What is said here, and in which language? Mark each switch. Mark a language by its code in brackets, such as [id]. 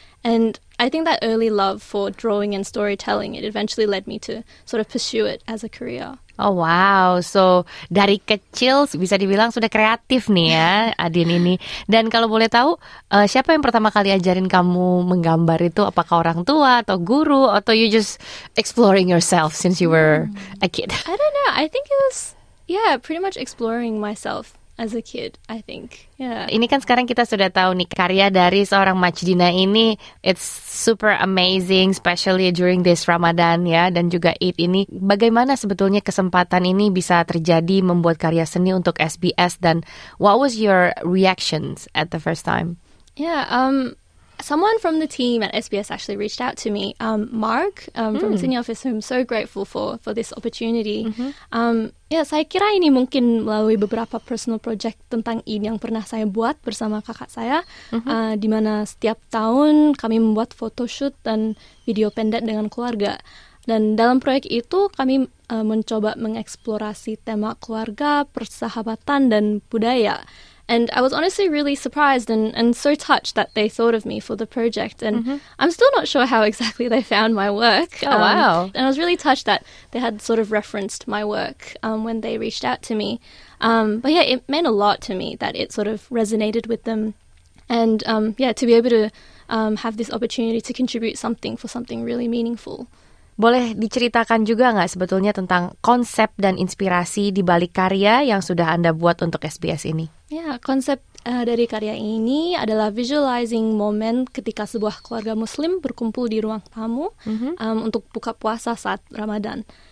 [en] And I think that early love for drawing and storytelling, it eventually led me to sort of pursue it as a career. [id] Oh wow, so dari kecil bisa dibilang sudah kreatif nih ya Adin ini. Dan kalau boleh tahu, siapa yang pertama kali ajarin kamu menggambar itu? Apakah orang tua atau guru atau [en] you just exploring yourself since you were a kid? I don't know, I think it was, yeah, pretty much exploring myself as a kid, I think. Yeah. [id] Ini kan sekarang kita sudah tahu nih karya dari seorang Majdina ini, [en] it's super amazing, especially during this Ramadan [id] ya, dan juga Eid ini. Bagaimana sebetulnya kesempatan ini bisa terjadi membuat karya seni untuk SBS dan [en] what was your reactions at the first time? Yeah, someone from the team at SBS actually reached out to me, Mark from Sydney office, who I'm so grateful for this opportunity. [id] Ya, saya kira ini mungkin melalui beberapa personal project tentang Eid yang pernah saya buat bersama kakak saya, di mana setiap tahun kami membuat photoshoot dan video pendek dengan keluarga. Dan dalam proyek itu, kami mencoba mengeksplorasi tema keluarga, persahabatan, dan budaya. [en] And I was honestly really surprised and so touched that they thought of me for the project. And I'm still not sure how exactly they found my work. Oh, wow. And I was really touched that they had sort of referenced my work when they reached out to me. But yeah, it meant a lot to me that it sort of resonated with them. And yeah, to be able to have this opportunity to contribute something for something really meaningful. [id] Boleh diceritakan juga nggak sebetulnya tentang konsep dan inspirasi di balik karya yang sudah Anda buat untuk SBS ini? Ya, yeah, konsep dari karya ini adalah [en] visualizing moment [id] ketika sebuah keluarga Muslim berkumpul di ruang tamu untuk buka puasa saat Ramadan.